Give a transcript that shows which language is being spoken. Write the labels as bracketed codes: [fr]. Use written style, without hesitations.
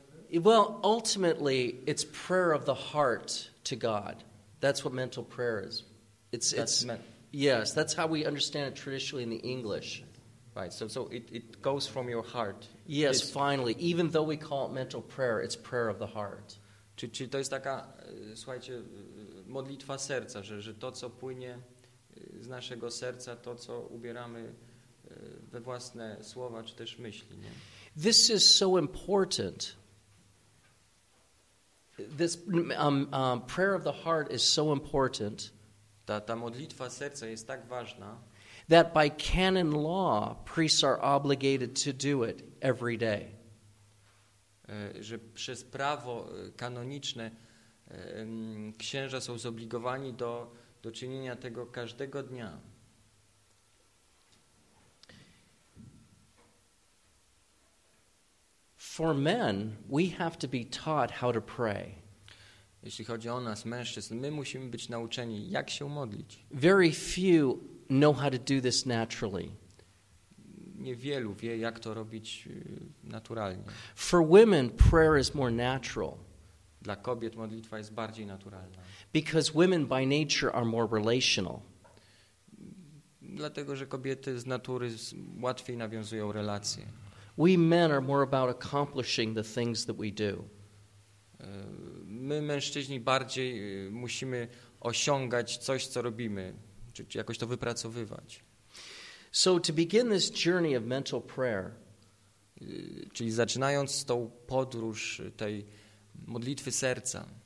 [en] Well, ultimately, it's prayer of the heart to God. That's what mental prayer is. Yes, that's how we understand it traditionally in the English. Right, so it goes from your heart. Yes, it's, finally. Even though we call it mental prayer, it's prayer of the heart. [pl] Czy to jest taka, słuchajcie, modlitwa serca, że to, co płynie z naszego serca, to, co ubieramy we własne słowa czy też myśli. Nie? [en] This is so important. This prayer of the heart is so important. [pl] Ta modlitwa serca jest tak ważna. [en] That by canon law, priests are obligated to do it every day. [pl] Że przez prawo kanoniczne księża są zobligowani do czynienia tego każdego dnia. [en] For men, we have to be taught how to pray. [pl] Jeśli chodzi o nas, mężczyzn, my musimy być nauczeni, jak się modlić. [en] Very few know how to do this naturally. [pl] Niewielu wie, jak to robić naturalnie. [en] For women, prayer is more natural. [pl] Dla kobiet modlitwa jest bardziej naturalna. [en] Because women by nature are more relational. [pl] Dlatego, że kobiety z natury łatwiej nawiązują relacje. [en] We men are more about accomplishing the things that we do. [pl] My, mężczyźni, bardziej musimy osiągać coś, co robimy, czy jakoś to wypracowywać. [en] So to begin this journey of mental prayer, [pl] czyli zaczynając tą podróż tej modlitwy serca,